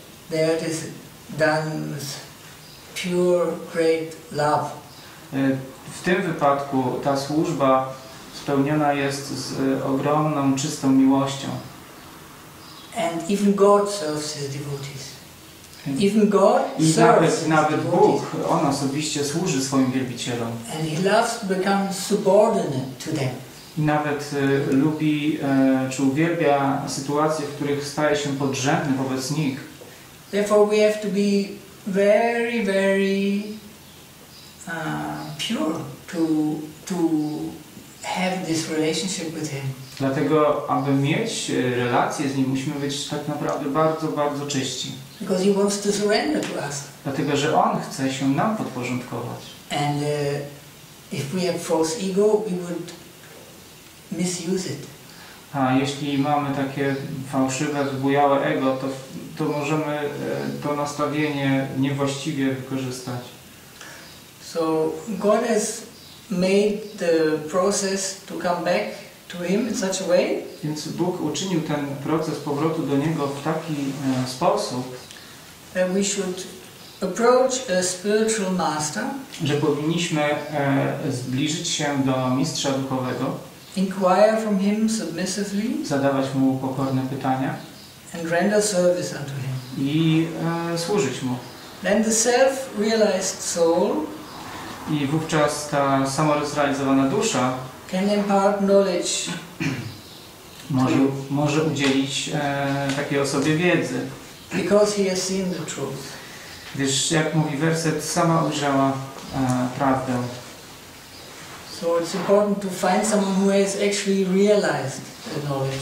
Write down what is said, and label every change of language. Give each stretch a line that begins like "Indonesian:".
English: There it is done with pure, great love.
Polish: W tym wypadku ta służba spełniona jest z ogromną, czystą miłością.
English: And even God serves his devotees. Even God serves.
Polish: Nawet Bóg, on osobiście służy swoim wielbicielom.
English: And he loves to become subordinate to them.
Polish: I nawet lubi, czy uwielbia sytuacje, w których staje się podrzędny wobec nich.
English: Therefore we have to be very, very pure to have this relationship with him.
Polish: Dlatego, aby mieć relacje z nim, musimy być tak naprawdę bardzo, bardzo czyści.
English: Because he wants to surrender to us.
Polish: Dlatego, że on chce się nam podporządkować.
English: And if we have false ego, we would misuse it.
Polish: A jeśli mamy takie fałszywe, zbujałe ego, to możemy to nastawienie niewłaściwie wykorzystać.
English: So God has made the process to come back to him in such a way.
Polish: Więc Bóg uczynił ten proces powrotu do niego w taki sposób,
English: that we should approach a spiritual master,
Polish: że powinniśmy zbliżyć się do mistrza duchowego,
English: inquire from him submissively,
Polish: zadawać mu pokorne pytania,
English: and render service unto him.
Polish: I służyć mu.
English: Then the self-realized soul,
Polish: i wówczas ta samorealizowana dusza
English: can impart knowledge.
Polish: Może udzielić takiej osobie wiedzy.
English: Because he has seen the truth.
Polish: Gdyż, jak mówi werset, sama ujrzała prawdę.
English: So it's important to find someone who has actually realized the knowledge.